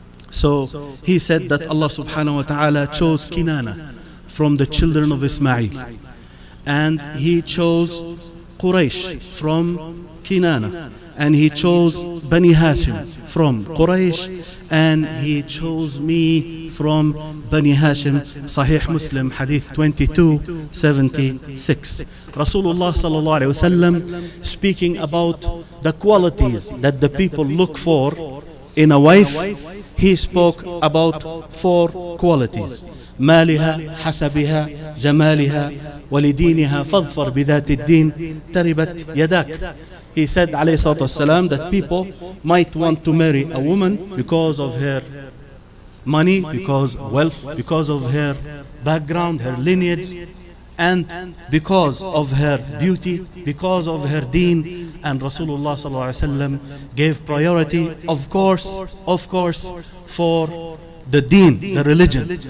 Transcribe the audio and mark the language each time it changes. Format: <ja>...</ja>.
<en>So he said that Allah subhanahu wa ta'ala chose Kinana from the children of Ismail, and he chose Quraysh from Kinana, and he chose Bani Hashim from Quraysh, and he chose me from Bani Hashim. Sahih Muslim, Hadith 2276. Rasulullah sallallahu alayhi wasallam, speaking about the qualities that the people look for in a wife, he spoke about four qualities.</en> <ar>مالها حسبها جمالها ولدينها فاضفر بذات الدين تربت يداك.</ar> <en>He said,</en> <ar>عليه الصلاة والسلام,</ar> <en>that people might want to marry a woman because of her money, because wealth, because of her background, her lineage, and because of her beauty, because of her deen. And Rasulullah</en> <ar>صلى الله عليه وسلم</ar> <en>gave priority, of course, for the deen, the religion.</en>